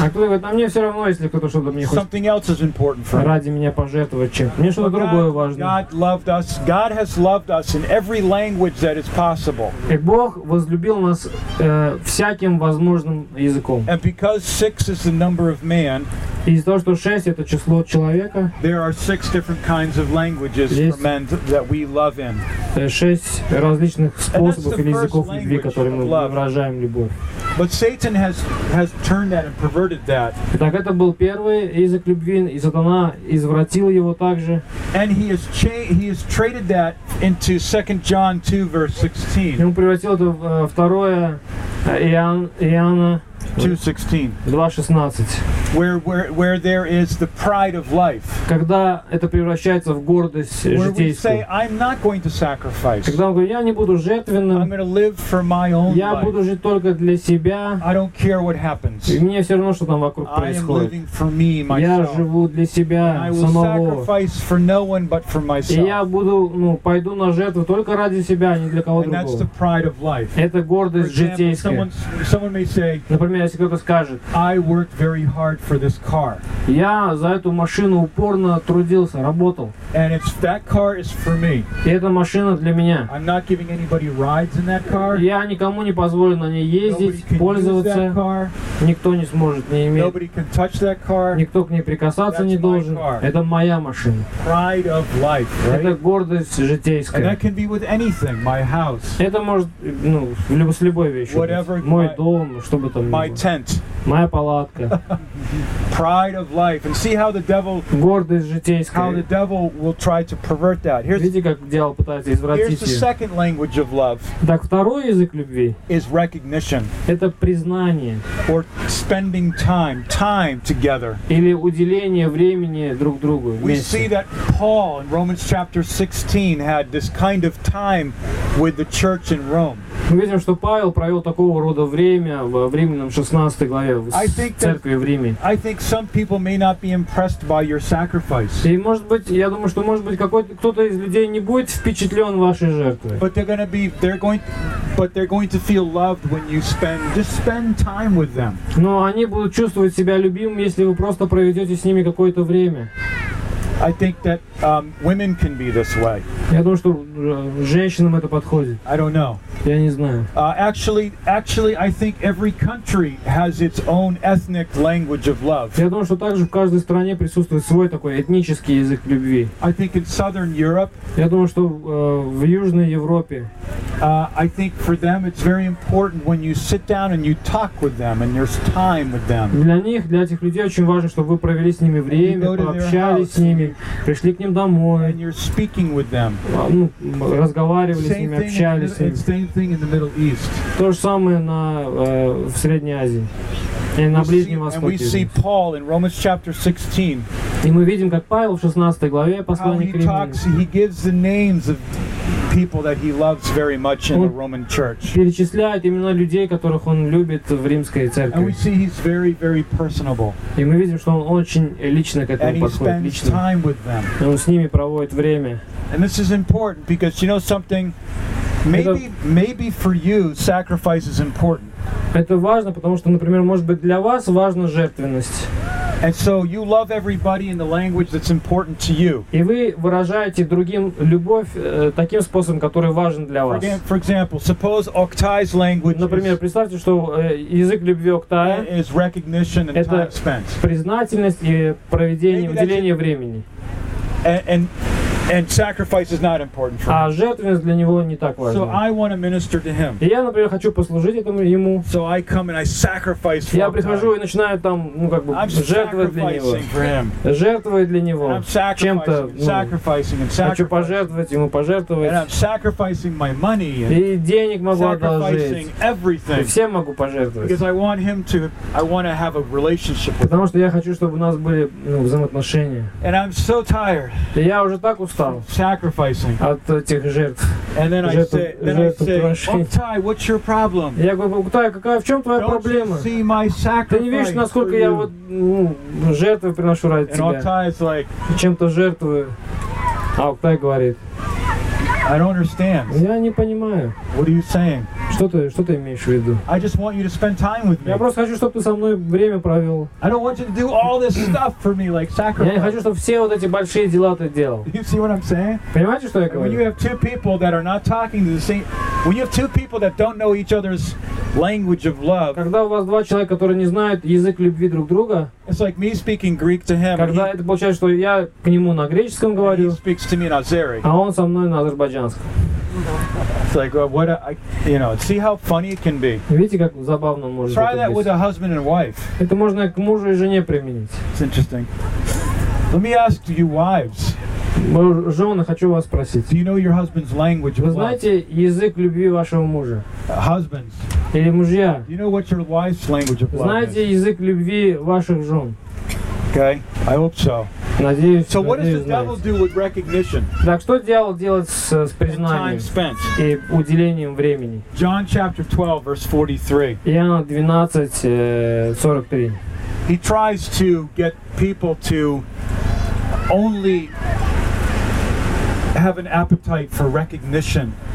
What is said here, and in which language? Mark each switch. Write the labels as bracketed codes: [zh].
[ru] А кто говорит, а мне все равно, если кто-то что-то мне хочет. [en] Something else is important for me. [ru] Ради меня пожертвовать чем-то. Мне что-то другое важно. [en] God loved us. God has loved us in every language that is possible. [ru] И Бог возлюбил нас всяким возможным языком. [en] And because six is the number of man. [ru] И из-за того, что шесть это число человека. [en] There are six different kinds of languages for men that we love in. [ru] Шесть различных способов или языков любви, которые мы выражаем любовь. [en] But Satan has turned that and perverted that. [ru] Так это был первый язык любви, и сатана извратил его также. [en] And he has traded that into 2 John 2 verse 16. [ru] И он превратил это в второе Иоанна [en] 2:16. Where there is the pride of life. [ru] Когда это превращается в гордость житейскую. [en] Where we say I'm not going to sacrifice. [ru] Когда он говорит, я не буду жертвенным. [en] I'm going to live for my own life. [ru] Я буду жить только для себя. [en] I don't care what happens. [ru] И мне все равно, что там вокруг происходит. [en] I am living for me, myself. [ru] Я живу для себя самого. [en] I will sacrifice for no one but for myself. [ru] И я буду, ну, пойду на жертву только ради себя, не для кого-то другого. [en] And that's the pride of life. [ru] Это гордость житейская. [en] Someone may say. [ru] Если кто-то скажет, [en] I worked very hard for this car. [ru] Я за эту машину упорно трудился, работал. [en] And if that car is for me, [ru] и эта машина для меня. [en] I'm not giving anybody rides in that car. [ru] Я никому не позволю на ней ездить, [en] Nobody [ru] пользоваться. [en] Can use that car. [ru] Никто не сможет, не имеет. [en] Nobody can touch that car. [ru] Никто к ней прикасаться [en] That's [ru] не должен. Это моя машина. [en] Pride of life, right? [ru] Это гордость житейская. [en] And that can be with anything, my house. [ru] Это может, ну, с любой вещью. [en] Whatever [ru] мой дом, что бы там ни было. [en] My tent. [ru] Моя палатка. [en] Pride of life. And see how the devil. [ru] Гордость житейская. [en] How the devil will try to pervert that. Here's, [ru] видите, как дьявол пытается извратить ее. [en] Here's the second language of love. [ru] Так второй язык любви. [en] Is recognition. [ru] Это признание. [en] Or spending time together. [ru] Или уделение времени друг другу. [en] We see that Paul in Romans chapter 16 had this kind of time with the church in Rome. [ru] Мы видим, что Павел провел такого рода время во Римлянам 16 главе в церкви в Риме. [en] I think some people may not be impressed by your sacrifice. [ru] И может быть, я думаю, что может быть какой-то кто-то из людей не будет впечатлен вашей жертвой. [en] But they're going to feel loved when you spend time with them. [ru] Но они будут чувствовать себя любимыми, если вы просто проведете с ними какое-то время. [en] I think that women can be this way. [ru] Я думаю, что женщинам это подходит. [en] I don't know. [ru] Я не знаю. [en] Actually, I think every country has its own ethnic language of love. [ru] Я думаю, что также в каждой стране присутствует свой такой этнический язык любви. [en] I think in Southern Europe. [ru] Я думаю, что в Южной Европе. [en] I think for them it's very important when you sit down and you talk with them and there's time with them. [ru] Для них, для этих людей очень важно, чтобы вы провели с ними время, пообщались с ними. Пришли к ним домой. [en] And you're speaking with them. [ru] Ну, разговаривали [en] same [ru] с ними, общались с ними. То же самое в Средней Азии. И на Ближнем Востоке. [en] And we see Paul in Romans chapter 16. [ru] И мы видим, как Павел в 16 главе послания к Римлянам. [en] He gives the names of people that he loves very much in the Roman church. [ru] Перечисляет имена людей, которых он любит в римской церкви. [en] And we see he's very, very personable. [ru] И мы видим, что он очень лично к этому подходит, лично. [en] And he spends time with them. [ru] Он с ними проводит время. [en] And this is important because you know something. Maybe for you, sacrifice is important. [ru] Это важно, потому что, например, может быть для вас важна жертвенность. [en] And so you love everybody in the language that's important to you. [ru] И вы выражаете другим любовь таким способом, который важен для вас. [en] For example, suppose Octai's language. [ru] Например, представьте, что язык любви Октая. [en] Is recognition and time spent. [ru] Это признательность и проведение, уделение времени. [en] And sacrifice is not important for him. [ru] А жертвенность для него не так важна. [en] So I want to minister to him. [ru] И я, например, хочу послужить этому ему. [en] So I come and I sacrifice for him. [ru] Я прихожу и начинаю там, ну как бы, жертвовать для него. Жертвовать для него. Чем-то, хочу пожертвовать ему, пожертвовать. [en] And I'm sacrificing my money. [ru] И денег могу одолжить. И всем могу пожертвовать. [en] Because I want him to, I want to have a relationship with him. [ru] Потому что я хочу, чтобы у нас были, ну, взаимоотношения. [en] And I'm so tired. [ru] И я уже так [en] sacrificing. [ru] От этих жертв. [en] And then I say, Octai, what's your problem? [ru] Я говорю, Октай, какая в чем твоя проблема? [en] Don't you see my sacrifice? [ru] Ты не видишь, насколько я вот жертвы приношу ради тебя? [en] And Octai is like, [ru] чем-то жертвую. А Октай говорит, [en] I don't understand. [ru] Я не понимаю. [en] What are you saying? [ru] Что ты имеешь в виду? [en] I just want you to spend time with me. [ru] Я просто хочу, чтобы ты со мной время провел. [en] I don't want you to do all this stuff for me, like sacrifice. [ru] Я не хочу, чтобы все вот эти большие дела ты делал. [en] You see what I'm saying? [ru] Понимаете, что я говорю? [en] When you have two people that are not talking to the same, when you have two people that don't know each other's language of love. [ru] Когда у вас два человека, которые не знают язык любви друг друга. [en] It's like me speaking Greek to him. [ru] Когда это получается, что я к нему на греческом говорю. [en] He speaks to me in Azeri. [ru] А он со мной на азербайджанском. [en] It's like what I, you know. See how funny it can be. [ru] Видите, как забавно может быть. [en] Try that with a husband and wife. [ru] Это можно к мужу и жене применить. [en] It's interesting. Let me ask you, wives. [ru] Жены, хочу вас спросить. [en] Do you know your husband's language? [ru] Вы знаете язык любви вашего мужа? [en] Husbands. [ru] Или мужья? [en] Do you know what your wife's language of love is? [ru] Знаете язык любви ваших жен? [en] Okay, I hope so. [ru] Надеюсь, [en] so what does the devil do with recognition? [ru] Так что дьявол делает с признанием и уделением времени? [en] John chapter 12 verse 43. [ru] Иоанна 12:43. [en] He tries to get people to only have an appetite for recognition.